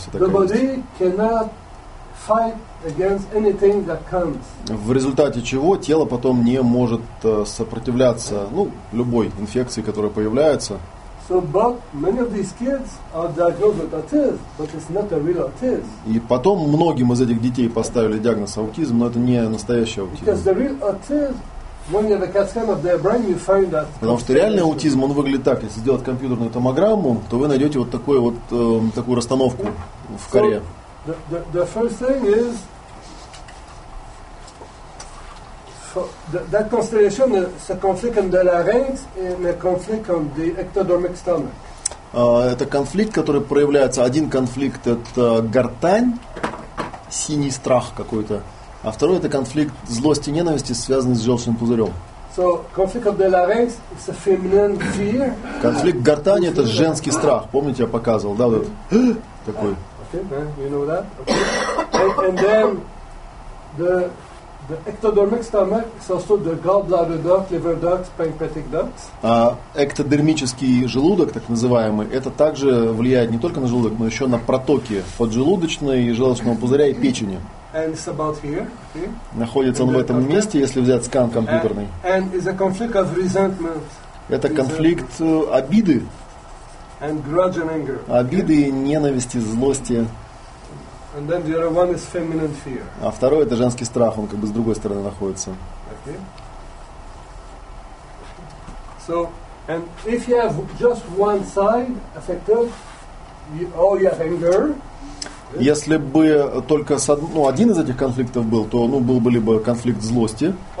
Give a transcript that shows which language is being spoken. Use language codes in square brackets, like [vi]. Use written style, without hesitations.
[en] The body cannot fight against anything that comes. [ru] В результате чего тело потом не может сопротивляться, ну, любой инфекции, которая появляется. [en] So, but many of these kids are diagnosed with autism, but it's not a real autism. [ru] И потом многим из этих детей поставили диагноз аутизм, но это не настоящий аутизм. [en] Because the real autism, when you have a CAT scan of their brain, you find that. [ru] Потому что реальный аутизм, он выглядит так: если сделать компьютерную томограмму, то вы найдете вот такую вот такую расстановку в коре. [en] The first thing is that constellation is a conflict in the larynx and a conflict on the ectodermic stomach. [ru] Это конфликт, который проявляется. Один конфликт — это гортань, синий страх какой-то. А второй — это конфликт злости и ненависти, связанный с желчным пузырем. [en] So conflict of the larynx is a feminine fear. [ru] Конфликт гортани — это женский страх. Помните, я показывал, да, вот такой. [en] You know that? Okay. And then the ectodermic stomach is also the gallbladder duct, liver duct, pancreatic duct. [ru] Эктодермический желудок, так называемый, это также влияет не только на желудок, но еще на протоки поджелудочной, желчного пузыря и печени. [en] And it's about here. Okay. [ru] Находится он в этом месте, если взять скан компьютерный. [en] And it's a conflict of resentment. [ru] Это конфликт обиды. [en] And grudge and anger. [ru] Обиды, ненависти, злости. [en] And then the other one is feminine fear. [ru] А второй — это женский страх, он как бы с другой стороны находится. [en] Okay. So, and if you have just one side affected, you have anger. [ru] Если бы только один из этих конфликтов был, то был бы либо конфликт злости.